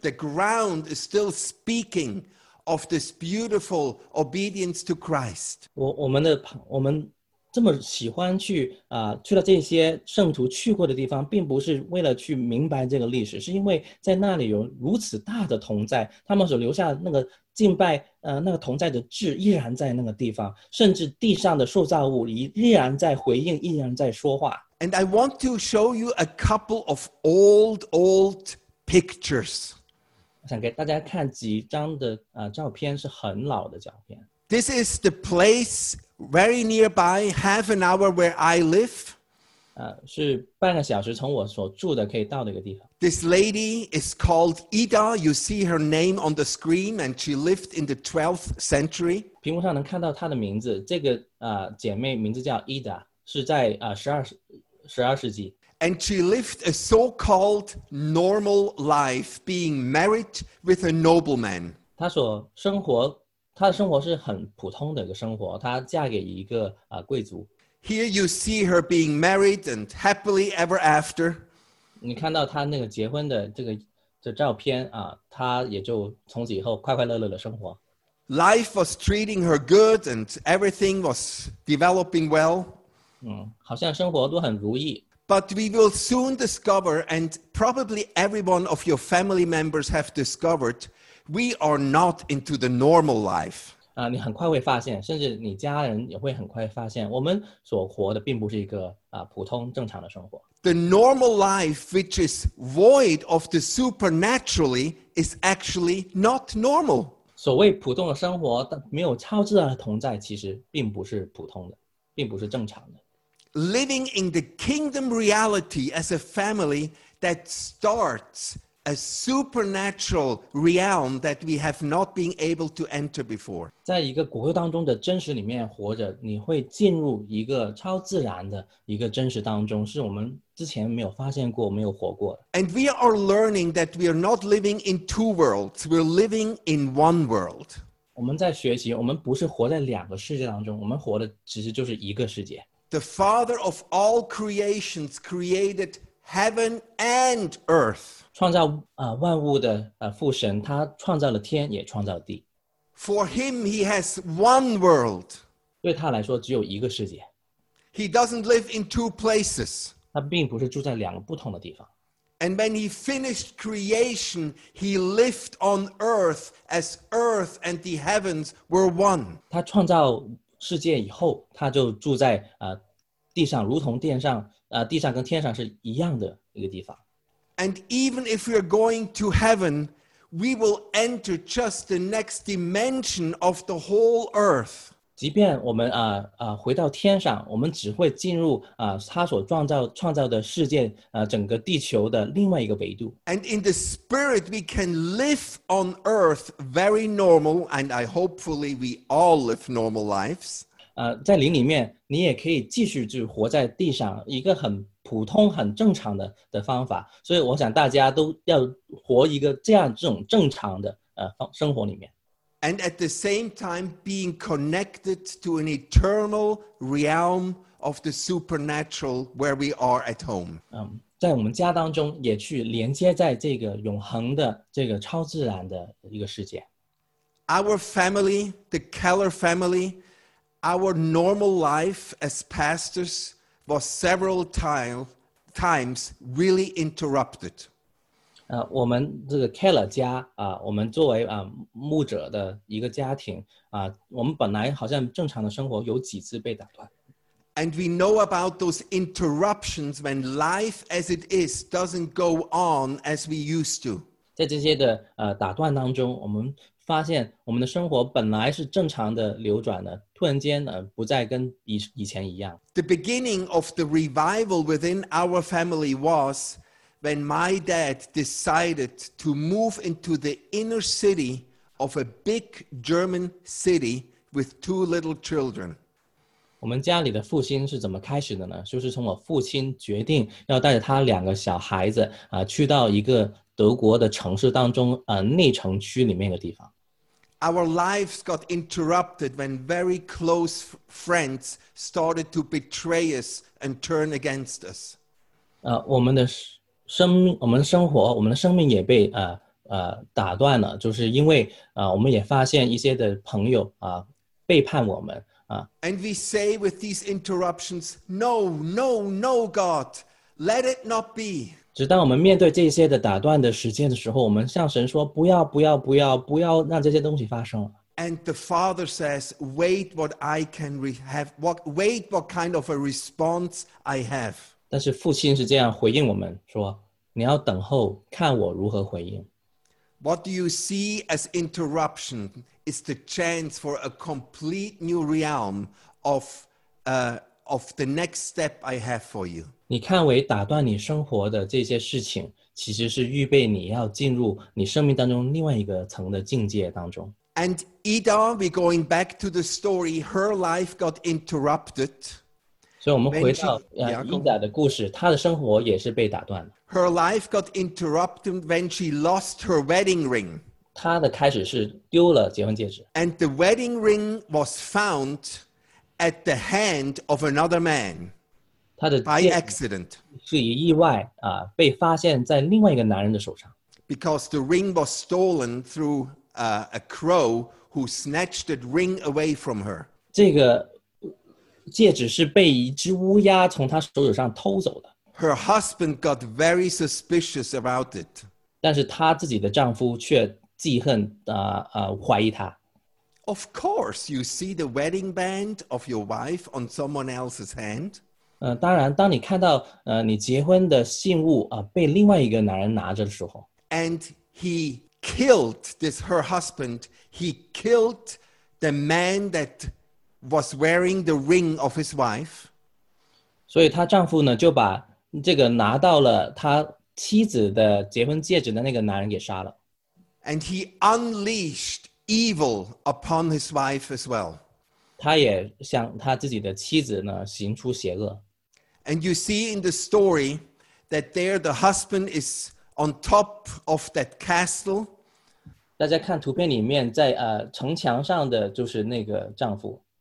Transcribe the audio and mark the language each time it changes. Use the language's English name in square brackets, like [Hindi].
[English] The ground is still speaking of this beautiful obedience to Christ. [Chinese] 我们这么喜欢去啊、去了这些圣徒去过的地方，并不是为了去明白这个历史，是因为在那里有如此大的同在，他们所留下的那个敬拜那个同在的志依然在那个地方，甚至地上的受造物依然在回应，依然在说话。 [English] And I want to show you a couple of old pictures. [Chinese] 我想给大家看几张的照片，是很老的照片。 [English] This is the place very nearby, half an hour where I live. [Chinese] 是半个小时从我所住的可以到的一个地方。 [English] This lady is called Ida. You see her name on the screen, and she lived in the 12th century. [Chinese] 屏幕上能看到她的名字，这个姐妹名字叫 Ida， 是在十二世纪。 [English] And she lived a so-called normal life, being married with a nobleman. [Chinese] 她所生活。她的生活是很普通的一个生活，她嫁给一个贵族。 [English] Here you see her being married and happily ever after. [Chinese] 你看到她那个结婚的这照片啊，她也就从此以后快快乐乐的生活。 [English] Life was treating her good and everything was developing well. [Chinese] 好像生活都很如意。 [English] But we will soon discover, and probably every one of your family members have discovered. We are not into the normal life. [Chinese] 你很快会发现，甚至你家人也会很快发现，我们所活的并不是一个普通正常的生活。 [English] The normal life, which is void of the supernaturally, is actually not normal. [Chinese] 所谓普通的生活，没有超自然的同在，其实并不是普通的，并不是正常的。 [English] Living in the kingdom reality as a family that starts. A supernatural realm that we have not been able to enter before. [Chinese] 在一个国度当中的真实里面活着，你会进入一个超自然的一个真实当中，是我们之前没有发现过、没有活过的。 [English] And we are learning that we are not living in two worlds; we're living in one world. [Chinese] 我们在学习，我们不是活在两个世界当中，我们活的其实就是一个世界。 [English] The Father of all creations created heaven and earth. [Chinese] 创造万物的父神，他创造了天，也创造了地。 [English] For him, he has one world. [Chinese] 对他来说，只有一个世界。 [English] He doesn't live in two places. [Chinese] 他并不是住在两个不同的地方。 [English] And when he finished creation, he lived on earth as earth and the heavens were one. [Chinese] 他创造世界以后，他就住在地上，如同天上地上跟天上是一样的一个地方。 [English] And even if we are going to heaven, we will enter just the next dimension of the whole earth. [Chinese] 即便我们回到天上，我们只会进入他所创造的世界整个地球的另外一个维度。 [English] And in the spirit, we can live on earth very normal, and I hopefully we all live normal lives. [Chinese] 在灵里面，你也可以继续去活在地上，一个很。普通很正常的方法，所以我想大家都要活一个这种正常的生活里面。 [English] And at the same time, being connected to an eternal realm of the supernatural where we are at home. [Chinese] 在我们家当中也去连接在这个永恒的这个超自然的一个世界。 [English] Our family, the Keller family, our normal life as pastors. Was several times really interrupted. [Chinese] 我们这个 Keller 家我们作为牧者的一个家庭我们本来好像正常的生活有几次被打断。 [English] And we know about those interruptions when life as it is doesn't go on as we used to. [Chinese] 在这些的打断当中，我们发现我们的生活本来是正常的流转的，突然间不再跟以前一样。 [English] The beginning of the revival within our family was when my dad decided to move into the inner city of a big German city with two little children. [Chinese] 我们家里的复兴是怎么开始的呢？就是从我父亲决定要带着他两个小孩子去到一个德国的城市当中内城区里面的地方。 [English] Our lives got interrupted when very close friends started to betray us and turn against us. [Chinese] 我们的生活，我们的生命也被打断了，就是因为我们也发现一些的朋友背叛我们 [English] And we say with these interruptions, no, no, no, God, let it not be. [Chinese] 直到我们面对这些的打断的时间的时候，我们向神说，不要，不要，不要，不要让这些东西发生。 [English] And the Father says, wait what I can have, wait what kind of a response I have. [Chinese] 但是父亲是这样回应我们，说，你要等候，看我如何回应。 [English] What do you see as interruption is the chance for a complete new realm of the next step I have for you. [Chinese] 你看为打断你生活的这些事情，其实是预备你要进入你生命当中另外一个层的境界当中。 [English] And Ida, we're going back to the story, her life got interrupted. [Chinese] 所以我们回到Ida的故事，她的生活也是被打断了。 [English] Her life got interrupted when she lost her wedding ring. [Chinese] 她的开始是丢了结婚戒指。 [English] And the wedding ring was found at the hand of another man. By accident. [Chinese] 是以意外被发现在另外一个男人的手上。 [English] Because the ring was stolen through a crow who snatched the ring away from her. [Chinese] 这个戒指是被一只乌鸦从她手上偷走的。 [English] Her husband got very suspicious about it. [Chinese] 但是她自己的丈夫却记恨怀疑她。 [English] Of course, you see the wedding band of your wife on someone else's hand. [Chinese] 当然当你看到你结婚的信物被另外一个男人拿着的时候。 [English] And he killed this, her husband, he killed the man that was wearing the ring of his wife. [Chinese] 所以她丈夫呢就把这个拿到了他妻子的结婚戒指的那个男人给杀了。 [English] And he unleashed evil upon his wife as well. [Chinese] 他也向他自己的妻子呢行出邪恶。 [English] And you see in the story that there the husband is on top of that castle. [Chinese] 大家看图片里面在城墙上的就是那个丈夫。